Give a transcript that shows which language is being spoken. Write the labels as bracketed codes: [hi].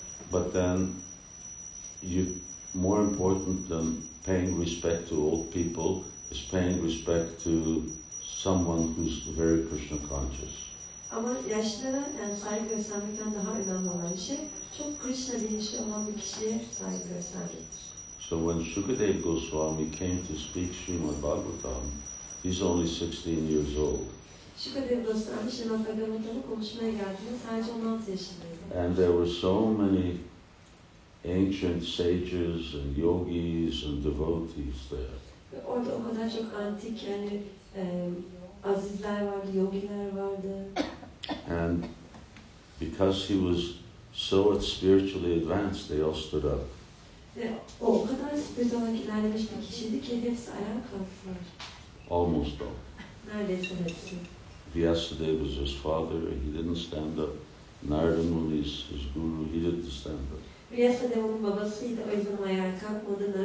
[en] But then, more important than paying respect to old people is paying respect to someone who's very Krishna conscious. [tr] Ama yaşlara yani saygı göstermekten daha önemli olan şey, çok Krishna bilinçli olan bir kişiye saygı göstermektir. [en] So when Sukadeva Goswami came to speak Srimad Bhagavatam, he's only 16 years old. [tr] Sukadeva Goswami Srimad Bhagavatam'ı konuşmaya geldiğinde sadece 16 yaşındaydı. [en] And there were so many ancient sages and yogis and devotees there. [tr] Orada o kadar çok antik yani azizler vardı, yogiler vardı. [en] And because he was so spiritually advanced, they all stood up. [tr] O kadar spiritual ilerlemiş bir kişiydi ki hepsi ayağa kalktılar. [en] Almost all. [tr] Neredeyse hepsi. [en] Vyasadeva was his father, he didn't stand up. Narada Muni is his guru, he didn't stand up. [tr] Vyasadeva onun babasıydı, o yüzden ayağa kalkmadı.